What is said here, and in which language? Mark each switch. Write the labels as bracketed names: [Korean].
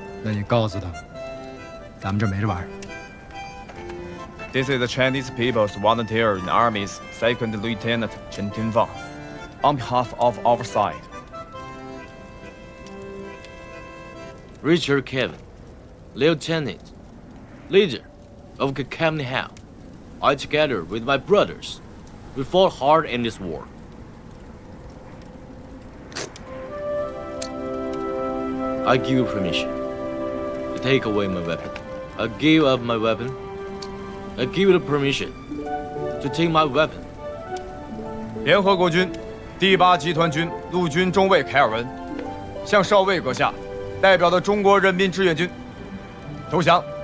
[Chinese] 那你告诉他，咱们这没这玩意儿。 [English] This is the Chinese people's volunteer in the army's second lieutenant, Chen Tianfang, on behalf of our side. Richard Kevin, lieutenant, leader of the company Hell. I, together with my brothers, we fought hard in this war. I give you permission to take away my weapon. I give up my weapon. I give you the permission to take my weapon. [Chinese] 联合国军第八集团军陆军中尉凯尔文向少尉阁下代表的中国人民志愿军投降。